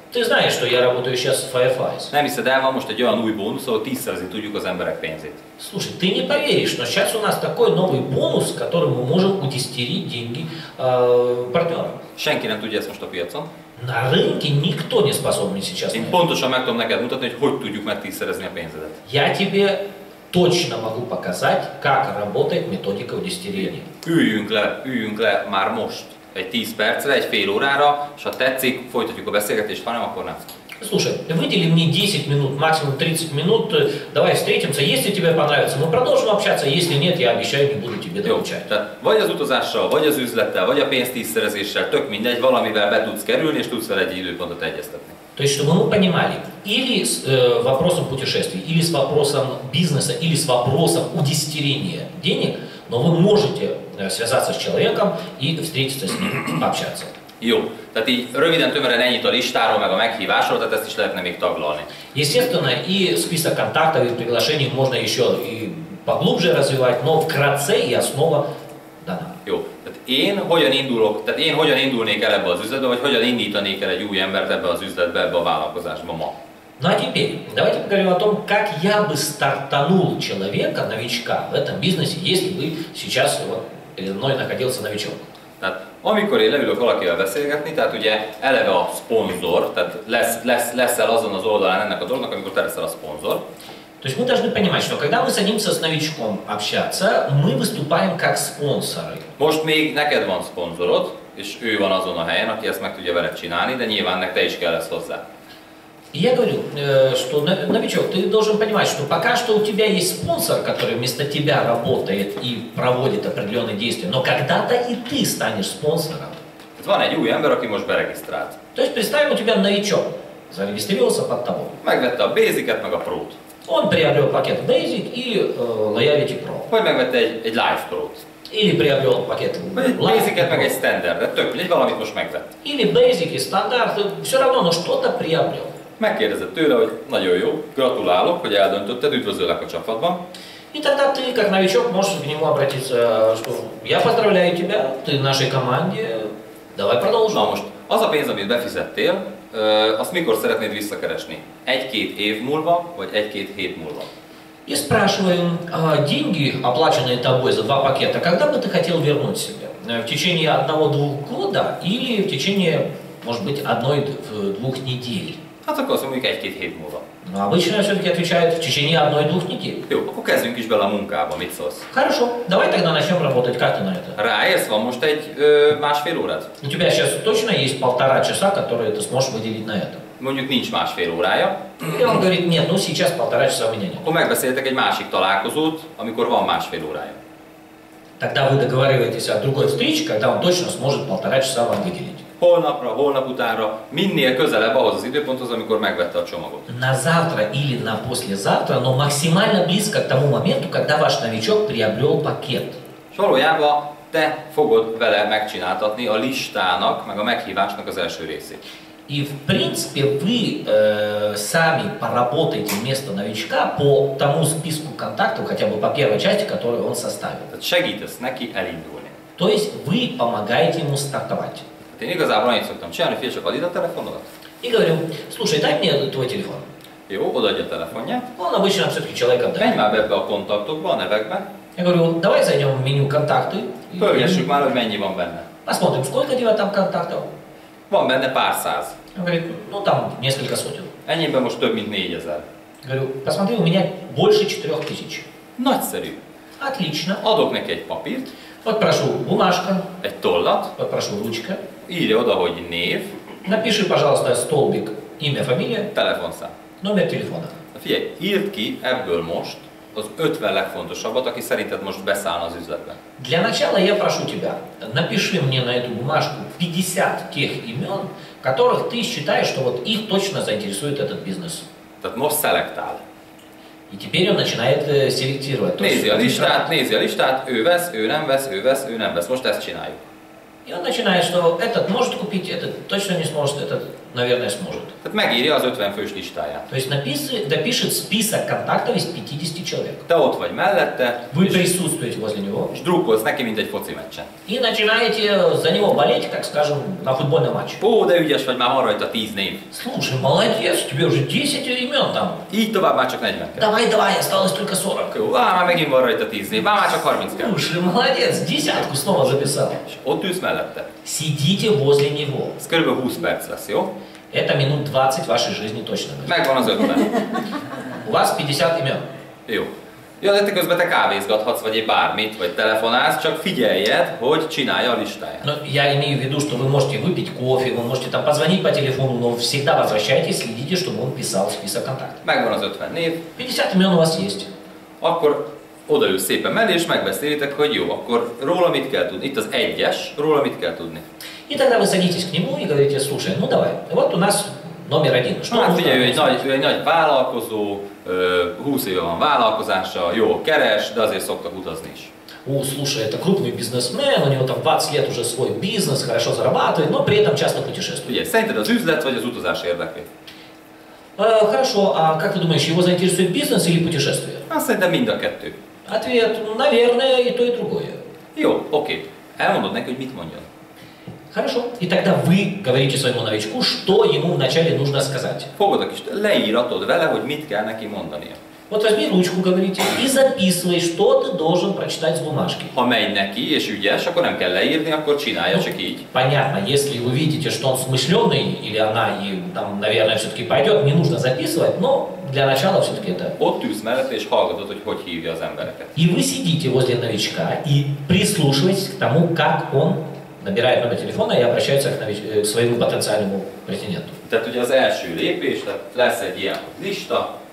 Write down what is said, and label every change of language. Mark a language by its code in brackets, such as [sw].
[ru] Ты знаешь, что я работаю сейчас с Firefly's. [hu] Nem hiszed el, van most egy olyan új bónusz, ahol 10-szerzi tudjuk az emberek pénzét. [ru] Слушай, ты не поверишь, но сейчас у нас такой новый бонус, который мы можем удестерить деньги партнерам. [hu] Senki nem tudja ezt most a piacon. [ru] На рынке никто не способен сейчас. [hu] Én pontosan meg tudom neked mutatni, hogy tudjuk meg 10-szerezni a pénzedet. [ru] Я тебе точно могу показать, как работает методика удестерения. [hu] Üljünk le már most. Egy 10 percre, egy fél órára, és ha tetszik, folytatjuk a beszélgetést, ha nem, akkor nem. [ru] Слушай, выдели мне 10 минут, максимум 30 минут, давай встретимся, если тебе понравится, мы продолжим общаться, если нет, я обещаю, не буду тебе докучать. [hu] Tehát vagy az utazással, vagy az üzlettel, vagy a pénz tízszerezéssel, tök mindegy, valamivel be tudsz kerülni, és tudsz vele egy időpontot egyeztetni. [ru] То есть, чтобы мы понимали, или с вопросом путешествий, или с вопросом бизнеса, или с вопросом удестерения денег, но вы можете связаться с человеком и встретиться с ним, пообщаться. [hu] Jó, tehát így röviden tömören ennyit a listáról, meg a meghívásról, tehát ezt is lehetne még taglalni. [ru] Естественно, и список контактов и приглашений можно еще и поглубже развивать, но вкратце и основа дана. [hu] Jó, tehát én hogyan indulnék el ebbe az üzletbe, vagy hogyan indítanék el egy új embert ebbe az üzletbe, ebbe a vállalkozásba ma? [ru] Ну а теперь, давайте поговорим о том, как я бы стартанул человека, новичка в этом бизнесе, если бы сейчас вот перед мной находился новичок. [hu] Tehát Amikor én leülök valakivel beszélgetni, tehát ugye eleve a szponzor, tehát leszel azon az oldalán ennek a dolognak, amikor te leszel a szponzor. [ru] То есть мы должны понимать, что когда мы садимся с новичком общаться, мы выступаем как спонсоры. Может, [hu] még neked van szponzorod, és ő van azon a helyen, aki ezt meg tudja veled csinálni, de nyilván nek te is kell lesz hozzá. [ru] Я говорю, что новичок, ты должен понимать, что пока что у тебя есть спонсор, который вместо тебя работает и проводит определенные действия, но когда-то и ты станешь спонсором. [hu] Tehát van egy új ember, aki most beregisztrált. [ru] То есть представим, у тебя новичок зарегистрировался под тобой. [hu] Megvette a basic-et, meg a pro-t. [ru] Он приобрел пакет Basic и Loyalty Pro. [hu] Vagy megvette egy Life Pro. [ru] Или приобрел пакет [hu] Basic-et, meg egy Standard, de több, egy valamit most megvett. [ru] Или Basic и Standard, все равно, но что-то приобрел. [hu] Megkérdezett tőle, hogy nagyon jó, gratulálok, hogy eldöntötted, üdvözöllek a csapatban. [ru] И тогда ты, как новичок, можешь к нему обратиться, что я поздравляю тебя, ты в нашей команде, давай продолжим. [hu] Na most, az a pénz, amit befizettél, azt mikor szeretnéd visszakeresni? Egy-két év múlva, vagy egy-két hét múlva? [ru] Я спрашиваю, деньги, оплаченные тобой за два пакета, когда бы ты хотел вернуть себе? В течение 1-2 года или в течение, может быть, 1-2 недель? [hu] Hát akkor azt mondjuk egy-két hét múlva. [ru] No, обычно все-таки отвечают в течение 1-2 недель. [hu] Jó, akkor kezdjünk is bele a munkába, mit szólsz? [ru] Хорошо, давай тогда начнем работать, как ты на это? [hu] Ráérsz, van most egy másfél órát? [ru] У тебя сейчас точно есть полтора часа, которые ты сможешь выделить на это? [hu] Mondjuk nincs másfél órája. [ru] И он говорит, нет, ну сейчас полтора часа у меня нет. [hu] Akkor megbeszéltek egy másik találkozót, amikor van másfél órája. [ru] Тогда вы договариваетесь о другой встрече, когда он точно сможет полтора часа вам выделить. [hu] Holnapra, holnap utánra, minél közelebb ahhoz az időponthoz, amikor megvette a csomagot. [ru] На завтра или на послезавтра, но максимально близко к тому моменту, когда ваш новичок приобрел пакет. [hu] És valójában te fogod vele megcsináltatni a listának, meg a meghívásnak az első részét. [ru] И в принципе вы сами поработаете вместо новичка по тому списку контактов, хотя бы по первой части, которую он составил. [hu] Tehát segítesz neki elindulni. [ru] То есть вы помогаете ему стартовать. [hu] Én igazából annyit szoktam csinálni, hogy csak ad ide a telefonodat. [ru] Igor, слушай, дай мне твой телефон. [hu] Jó, odaadja a telefonját. [ru] Он обычно все-таки человек отдает. [hu] Menj már be ebbe a kontaktokba, a nevekbe. [ru] Igor, давай зайдем в меню контакты. [hu] Pörgessük már, hogy mennyi van benne. [ru] Посмотрим, сколько тебя там контактов. [hu] Van benne pár száz. [ru] Igor, ну там несколько сотен. [hu] Ennyiben most több mint 4000. [ru] Igor, посмотри, у меня больше 4000. [hu] Nagyszerű. [ru] Отлично. [hu] Adok neki egy papírt. [ru] Вот прошу, бумажка. [hu] Egy tollat. [ru] Вот прошу, ручка. [hu] Írja oda, hogy név. [ru] Напиши, пожалуйста, столбик, имя, фамилия. [hu] Telefonszám. [ru] Номер телефона. [hu] Figyelj, írd ki ebből most az 50 legfontosabbat, aki szerinted most beszállna az üzletbe. [ru] Для начала я прошу тебя, напиши мне на эту бумажку 50 тех имен, которых ты считаешь, что вот их точно заинтересует этот бизнес. [hu] Tehát most szelektál. [ru] И теперь он начинает селектировать. [hu] Nézi a listát, nézi a listát, ő vesz, ő nem vesz, ő vesz, ő nem vesz. Most ezt csináljuk. [ru] И он начинает, что этот может купить, этот точно не сможет, этот, наверное, сможет. [hu] Tehát megírja az 50 fős listáját. [ru] То есть напишет список контактов из 50 человек. [hu] Te ott vagy mellette. [ru] Вы присутствуете возле него. [hu] És drukkolsz neki, mint egy foci meccsen. [ru] И начинаете за него болеть, как скажем, на футбольном матче. [hu] Ó, de ügyes vagy, már van rajta 10 név. [ru] Слушай, молодец, у тебя уже 10 имен там. [hu] Így tovább, már csak 40 kell. [ru] Давай, давай, осталось только 40. [hu] Jó, á, már megint van rajta 10 név, már csak 30 kell. [ru] Слушай, молодец, десятку снова записал. [hu] És ott ülsz mellette. [ru] Сидите возле него. [hu] Ez körülbelül 20 perc lesz, jó? [ru] Это минут 20 вашей жизни точно. [hu] Megvan az 50. [ru] У вас 50 имен. [hu] Jó. Jó, de te közben te kávézgathatsz, vagy bármit, vagy telefonálsz, csak figyeljed, hogy csinálja a listáját. [ru] No, я имею в виду, что вы можете выпить кофе, вы можете там позвонить по телефону, но всегда возвращайтесь, следите, чтобы он писал список контактов. [hu] Megvan az 50 név. [ru] 50 имен у вас есть. [hu] Akkor odaül szépen mellé, és megbeszélitek, hogy jó, akkor róla mit kell tudni? Itt az egyes, róla mit kell tudni? [ru] И тогда вы садитесь к нему и говорите, слушай, ну давай, вот у нас номер один. Что [hu] hát, figyelj, ő egy nagy, vállalkozó, 20 éve van vállalkozása, jó, keres, de azért szoktak utazni is. [ru] Ó, слушай, это крупный бизнесмен, у него там 20 лет уже свой бизнес, хорошо зарабатывает, но при этом часто путешествует. [hu] Figyelj, szerinted az üzlet vagy az utazás érdekli? [ru] Хорошо, а как ты думаешь, его заинтересует бизнес или путешествие? [hu] Hát, szerintem mind a kettő. [ru] Ответ, наверное, и то, и другое. [hu] Jó, [ru] окей. [hu] Elmondod neki, hogy mit mondjon. [ru] Хорошо. И тогда вы говорите своему новичку, что ему вначале нужно сказать. [hu] Fogod a kis leíratod vele, hogy mit kell neki mondania. [ru] Вот возьми ручку, говорите, и записывай, что ты должен прочитать с бумажки. [hu] Ha megy neki, és ügyes, akkor nem kell leírni, akkor csinálja csak így. [ru] Понятно, если вы видите, что он смышленый, или она, и там, наверное, все-таки пойдет, не нужно записывать, но для начала все-таки это... [hu] Ott ülsz mellette, és hallgatod, hogy hogy hívja az embereket. [ru] И вы сидите возле новичка и прислушиваетесь к тому, как он набирает номер телефона и обращается к, к своему потенциальному претенденту. [hu] Tehát ugye az első lépés, tehát lesz egy ilyen lista.